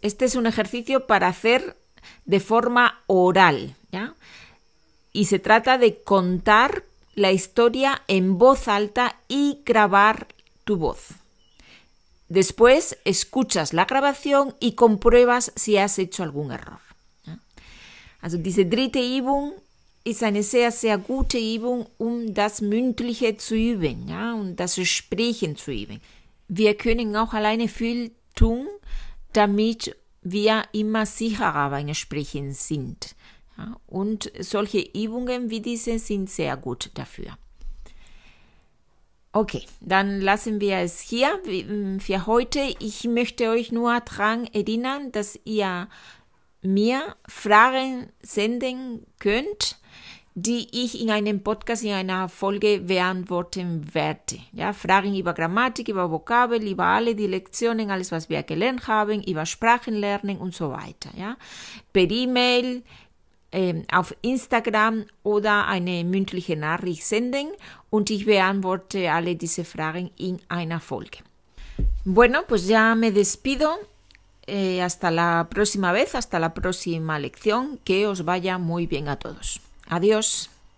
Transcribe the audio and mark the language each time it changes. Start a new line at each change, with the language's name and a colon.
Spanish: Este es un ejercicio para hacer de forma oral, ¿ya? Y se trata de contar la historia en voz alta y grabar tu voz. Después escuchas la grabación y compruebas si has hecho algún error.
German: Also diese dritte Übung ist eine sehr, sehr gute Übung, um das Mündliche zu üben, ja, und das Sprechen zu üben. Wir können auch alleine viel tun, damit wir immer sicherer beim Sprechen sind. Ja, und solche Übungen wie diese sind sehr gut dafür. Okay, dann lassen wir es hier für heute. Ich möchte euch nur daran erinnern, dass ihr mir Fragen senden könnt, die ich in einem Podcast, in einer Folge beantworten werde. Ja, Fragen über Grammatik, über Vokabel, über alle die Lektionen, alles, was wir gelernt haben, über Sprachenlernen und so weiter. Ja, per E-Mail, auf Instagram oder eine mündliche Nachricht senden und ich beantworte alle diese Fragen in einer Folge.
Spanish: Bueno, pues ya me despido. Hasta la próxima vez, hasta la próxima lección. Que os vaya muy bien a todos. Adiós.